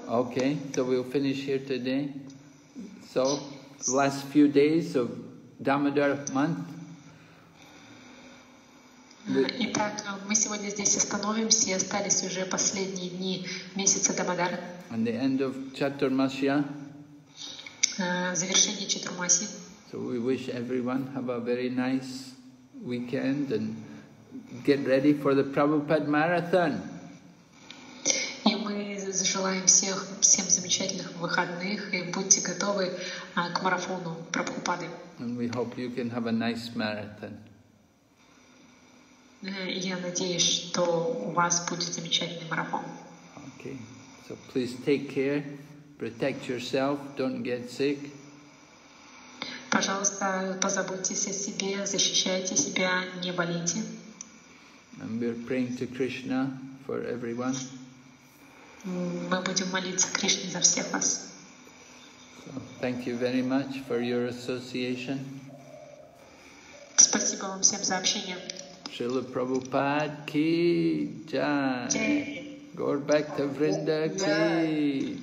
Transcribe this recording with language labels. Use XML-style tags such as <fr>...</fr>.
<en>Okay, so we'll finish here today. So, last few days of Damodar month.</en> <ru>Итак, мы сегодня здесь остановимся, и остались уже последние дни месяца Дамодара.</ru> <en>And the end of Chaturmasya.</en> <ru>Завершение Чатурмаси.</ru> <en>So we wish everyone have a very nice weekend and get ready for the Prabhupada marathon.</en> <ru>Желаем всем замечательных выходных и будьте готовы к марафону Прабхупады.</ru> <en>And we hope you can have a nice marathon.</en> <ru>Я надеюсь, что у вас будет замечательный марафон.</ru> <en>Okay. So please take care, protect yourself, don't get sick.</en> <ru>Пожалуйста, позаботьтесь о себе, защищайте себя, не болейте.</ru> <en>And we're praying to Krishna for everyone.</en> <ru>Мы будем молиться Кришне за всех вас.</ru> <en>So, thank you very much for your association.</en> <ru>Спасибо вам всем за общение. Шрила Прабхупада ки джай. Джай. Гор Бхакта Вринда ки джай.</ru>